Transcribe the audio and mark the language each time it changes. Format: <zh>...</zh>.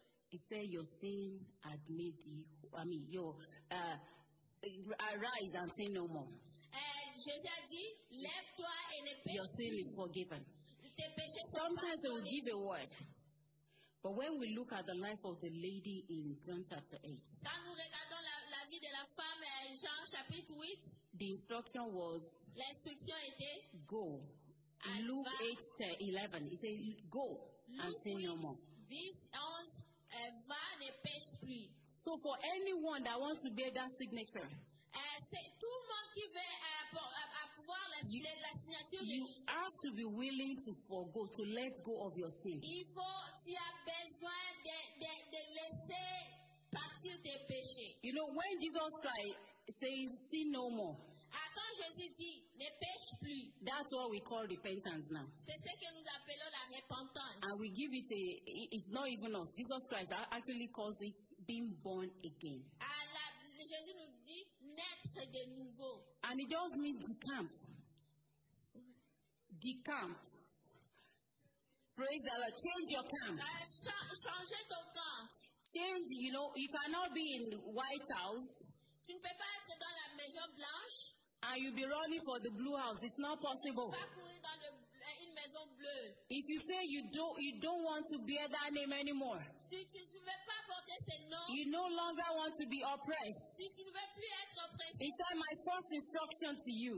<en>He said, your sin has made you, I mean, your, arise and sin no more. Jesus said,</en> <fr>lève-toi et ne péché.</fr> <en>Your sin is forgiven. Sometimes they will give a word. But when we look at the life of the lady in John chapter 8,</en> <fr>quand nous regardons la vie de la femme, Jean chapitre 8,</fr> <en>the instruction was,</en> <fr>l'instruction était,</fr> <en>go. Luke 8:11. He said, go and sin no more.</en> <fr>Va, ne pêche plus.</fr> <en>So for anyone that wants to bear that signature, you have to be willing to forgo, to let go of your sin.</en> <fr>Il faut, tu as besoin de laisser partir tes péchés.</fr> <en>You know, when Jesus Christ says, sin no more,</en> <fr>quand Jésus dit, ne pêche plus.</fr> <en>That's what we call repentance now.</en> <fr>C'est ce que nous appelons la repentance.</fr> <en>And we give it it's not even us. Jesus Christ actually calls it being born again.</en> <fr>Jésus nous dit, naître de nouveau.</fr> <en>And it just means decamp. Decamp. Praise the Lord. Change your camp.</en> <fr>Changer ton camp.</fr> <en>Change, you know, you cannot be in the White House.</en> <fr>Tu ne peux pas être dans la Maison Blanche.</fr> <en>And you'll be running for the Blue House. It's not possible. If you say you don't want to bear that name anymore, you no longer want to be oppressed. It's not my first instruction to you.</en>